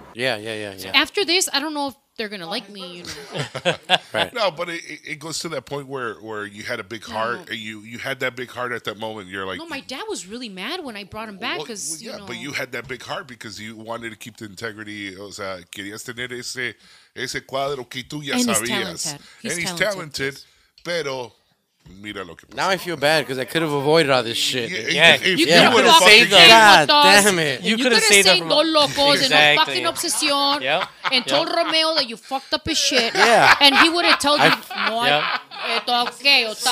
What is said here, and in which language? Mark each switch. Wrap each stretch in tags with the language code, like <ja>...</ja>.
<en>Yeah. So after this, I don't know if they're going to like me, you know. Right. No, but it goes to that point where you had a big heart. And you had that big heart at that moment. You're like. No, my dad was really mad when I brought him back because, you know. But you had that big heart because you wanted to keep the integrity.</en> <es>O sea, querías tener ese cuadro que tú ya sabías.</es> <en>And he's talented.</en> <es>Pero. Mira lo que</es> <en>now I feel bad because I could have avoided all this shit. Yeah, you could have saved us. God damn it. You could have saved Dos Locos and exactly. No fucking obsesión and told Romeo that you fucked up his shit. Yeah. And he would have told you, no, esto okay.</en>